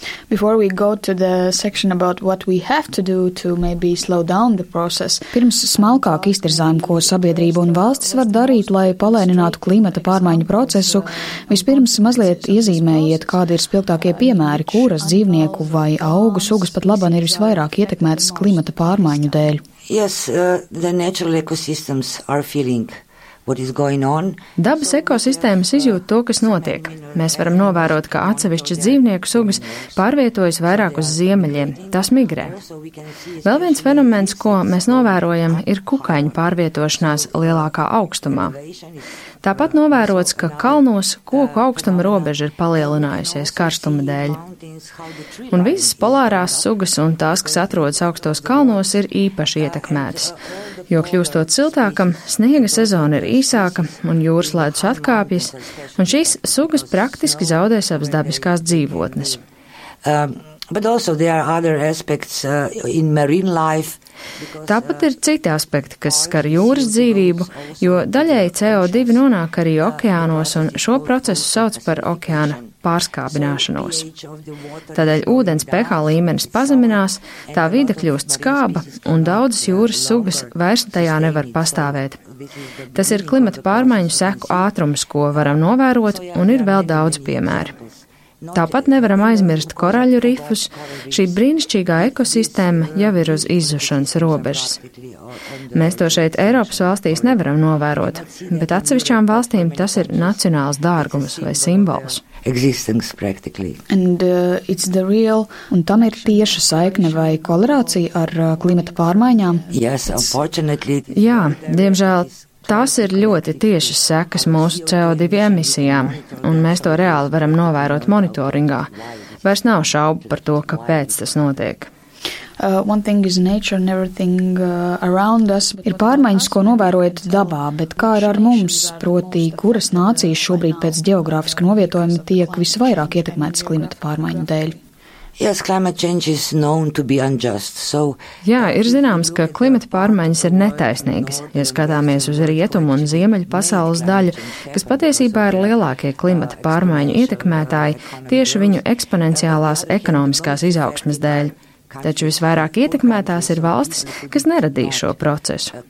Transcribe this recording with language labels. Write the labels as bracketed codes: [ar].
[en] Before we go to the section about what we have to do to maybe slow down the process. [lv] Pirms smalkāk iztirzājam, ko sabiedrība un valstis var darīt, lai palēninātu klimata pārmaiņu procesu, vispirms mazliet iezīmējiet, kādi ir spilgtākie piemēri, kuras dzīvnieku vai augu sugas pat labam ir visvairāk ietekmētas klimata pārmaiņu dēļ. [en] Yes, the natural ecosystems are feeling what is going on. [lv] Dabas ekosistēmas izjūt to, kas notiek. Mēs varam novērot, ka atsevišķas dzīvnieku sugas pārvietojas vairāk uz ziemeļiem. Tas migrē. Vēl viens fenomens, ko mēs novērojam, ir kukaiņu pārvietošanās lielākā augstumā. Tāpat novērots, ka kalnos koku augstuma robeža ir palielinājusies karstuma dēļ. Un visas polārās sugas un tās, kas atrodas augstos kalnos, ir īpaši ietekmētas. Jo kļūstot siltākam, sniega sezona ir īsāka un jūras ledus atkāpjas, un šīs sugas praktiski zaudē savas dabiskās dzīvotnes. [en] But also there are other aspects in marine life. [lv] Tāpat ir citi aspekti, kas skar jūras dzīvību, jo daļai CO2 nonāk arī okeānos un šo procesu sauc par okeāna pārskābināšanos. Tādēļ ūdens pH līmenis pazeminās, tā vide kļūst skāba un daudzas jūras sugas vairs tajā nevar pastāvēt. Tas ir klimata pārmaiņu seku ātrums, ko varam novērot, un ir vēl daudz piemēri. Tāpat nevaram aizmirst koraļu rifus, šī brīnišķīgā ekosistēma jau ir uz izzušanas robežas. Mēs to šeit Eiropas valstīs nevaram novērot, bet atsevišķām valstīm tas ir nacionāls dārgums vai simbols. [en] Existence practically. And it's the real. [lv] Un tam ir tieša saikne vai korelācija ar klimata pārmaiņām? [en] Yes, unfortunately. [lv] Jā, diemžēl. Tās ir ļoti tiešas sekas mūsu CO2 emisijām, un mēs to reāli varam novērot monitoringā. Vairs nav šaubu par to, kāpēc tas notiek. [en] One thing is nature and everything around us. [lv] Ir pārmaiņas, ko novērojat dabā, bet kā ir ar mums, proti, kuras nācijas šobrīd pēc geogrāfiska novietojuma tiek visvairāk ietekmētas klimata pārmaiņu dēļ? [en] Yes, climate change is known to be unjust. So, [lv] jā, ir zināms, ka klimata pārmaiņas ir netaisnīgas, ja skatāmies uz rietumu un ziemeļu pasaules daļu, kas patiesībā ir lielākie klimata pārmaiņu ietekmētāji tieši viņu eksponenciālās ekonomiskās izaugsmes dēļ. Taču visvairāk ietekmētās ir valstis, kas neradīja šo procesu.